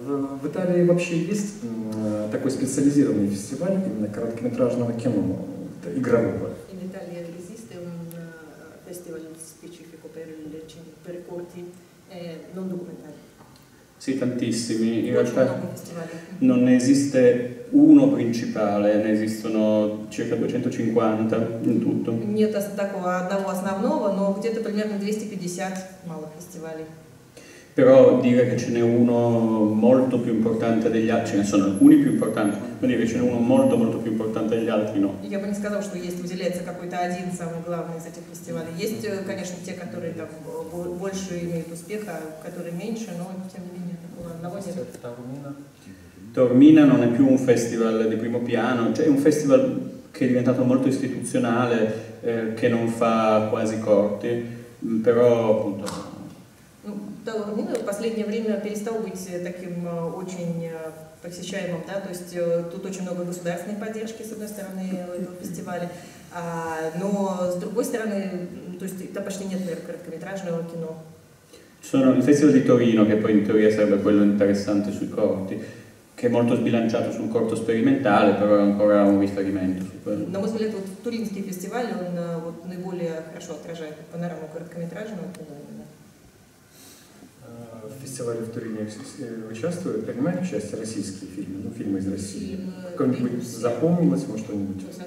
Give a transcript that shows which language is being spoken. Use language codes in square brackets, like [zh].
[ru] В Италии вообще есть такой специализированный фестиваль именно короткометражного кино, игрового? В Италии есть фестиваль специфику [it] per corti, non documentari. Sì, tantissimi. In realtà non ne esiste uno principale, ne esistono circa 250 in tutto. [ru] Нет такого одного основного, но где-то примерно 250 малых фестивалей. [it] Però dire che ce n'è uno molto più importante degli altri, ce ne sono alcuni più importanti, ma dire che ce n'è uno molto molto più importante degli altri, no. [ru] Я бы не сказал, что есть выделяется какой-то один самый главный из этих фестивалей. Есть, конечно, те, которые там больше имеют успеха, которые меньше, но тем не менее такого одного нет. [it] Taormina non è più un festival di primo piano, cioè è un festival che è diventato molto istituzionale, che non fa quasi corti, però appunto. [ru] Таурмина в последнее время перестал быть таким очень посещаемым, да, то есть тут очень много государственной поддержки, с одной стороны, этого фестиваля, но с другой стороны, то есть там почти нет, например, короткометражного кино. [it] Sono il festival di Torino, che poi in teoria sarebbe quello interessante sui corti, che è molto sbilanciato su un corto sperimentale, però è ancora un riferimento su quello. [ru] На мой взгляд, вот туринский фестиваль, он вот наиболее хорошо отражает панораму короткометражного кино. В фестивале в Турине участвуют, принимают участие российские фильмы, ну, фильмы из России. Какой-нибудь запомнилось, может, что-нибудь?